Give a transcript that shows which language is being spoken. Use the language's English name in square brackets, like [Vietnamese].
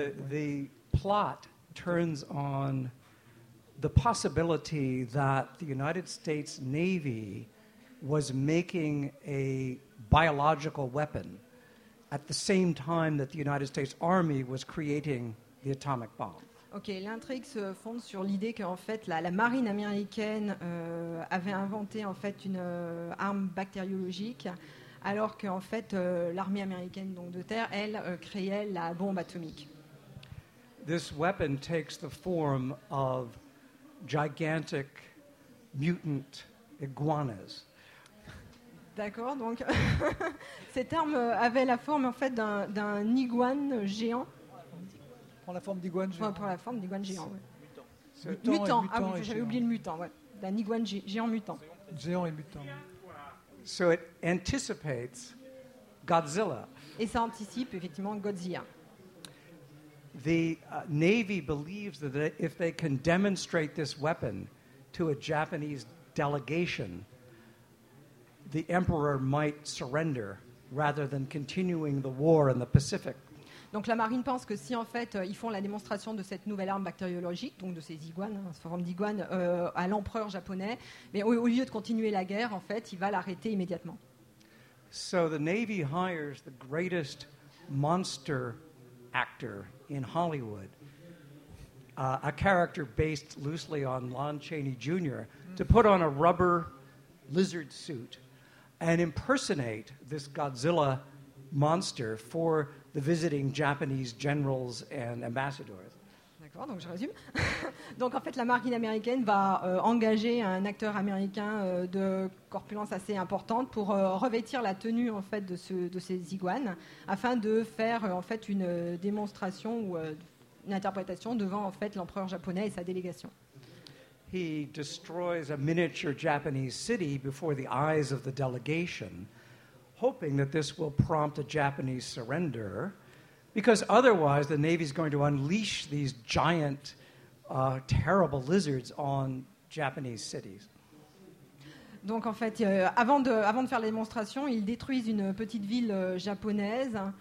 [English] The plot turns on the possibility that the United States Navy was making a biological weapon at the same time that the United States Army was creating the atomic bomb. [French] Ok, l'intrigue se fonde sur l'idée qu'en fait la marine américaine avait inventé en fait une arme bactériologique, alors qu'en fait l'armée américaine donc de terre, elle créait la bombe atomique. [English] This weapon takes the form of gigantic mutant iguanas. [French] D'accord, donc cette arme avait la forme en fait d'un iguane géant. La forme d'iguane géant. Pour la forme d'iguane géant. C'est mutant. Mutant. Ah oui, j'avais oublié le mutant. Ouais. D'un iguane géant mutant. Géant et mutant. [English] So it anticipates Godzilla. [French] Et ça anticipe effectivement Godzilla. [English] The Navy believes that if they can demonstrate this weapon to a Japanese delegation, the Emperor might surrender rather than continuing the war in the Pacific. [French] Donc la marine pense que si en fait ils font la démonstration de cette nouvelle arme bactériologique, donc de ces iguanes, hein, cette forme d'iguane, à l'empereur japonais, mais au lieu de continuer la guerre, en fait, il va l'arrêter immédiatement. [English] So the Navy hires the greatest monster actor in Hollywood, a character based loosely on Lon Chaney Jr., to put on a rubber lizard suit and impersonate this Godzilla monster for the visiting Japanese generals and ambassadors. [French] D'accord, donc je résume. Donc en fait, la marine américaine va engager un acteur américain de corpulence assez importante pour revêtir la tenue en fait de ces iguanes afin de faire en fait une démonstration ou une interprétation devant en fait l'empereur japonais et sa délégation. [English] He destroys a miniature Japanese city before the eyes of the delegation, hoping that this will prompt a Japanese surrender, because otherwise the Navy is going to unleash these giant, terrible lizards on Japanese cities. [French] Donc en fait, avant de faire la démonstration, ils détruisent une petite ville japonaise.